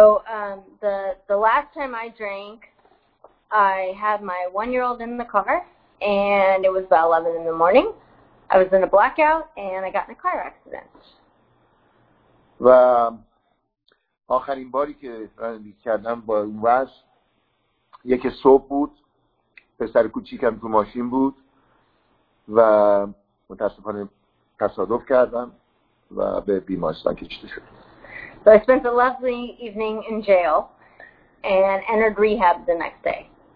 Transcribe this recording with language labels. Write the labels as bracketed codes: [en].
[en] So the last time I drank, I had my 1-year-old in the car and it was about 11 in the morning. I was in a blackout and I got in a car accident. [fa] و آخرین باری که رانندگی کردم با اون وضع یک صبح بود. پسر کوچیکم تو ماشین بود و متاسفانه تصادف کردم و به بیمارستان کشیده شدم. [en] So I spent a lovely evening in jail and entered rehab the next day.